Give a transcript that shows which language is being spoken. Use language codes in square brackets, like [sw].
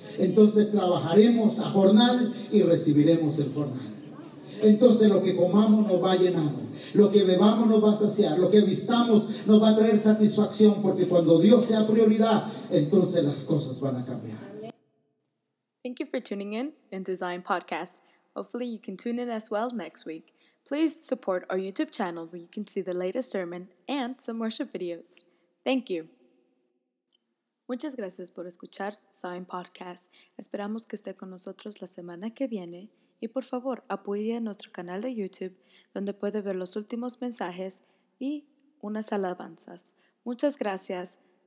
[es] Entonces trabajaremos a jornal y recibiremos el jornal. Entonces lo que comamos nos va a llenar, lo que bebamos nos va a saciar, lo que vistamos nos va a traer satisfacción, porque cuando Dios sea prioridad, entonces las cosas van a cambiar. [en] Thank you for tuning in Design Podcast. Hopefully you can tune in as well next week. Please support our YouTube channel where you can see the latest sermon and some worship videos. Thank you. [es] Muchas gracias por escuchar Design Podcast. Esperamos que esté con nosotros la semana que viene. Y por favor, apoye nuestro canal de YouTube donde puede ver los últimos mensajes y unas alabanzas. Muchas gracias.